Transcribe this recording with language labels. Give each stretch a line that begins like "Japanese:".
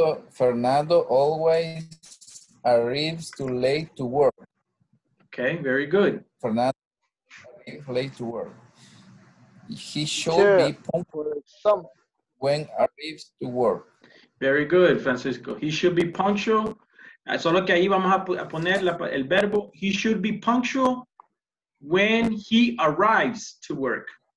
English: Fernando always arrives too late to work. Okay, very good. Fernando late to work. He should be punctual when arrives to work. Very good, Francisco. He should be punctual.
Spanish: Solo que ahí vamos a poner el verbo.
English: He should be punctual when he arrives to work.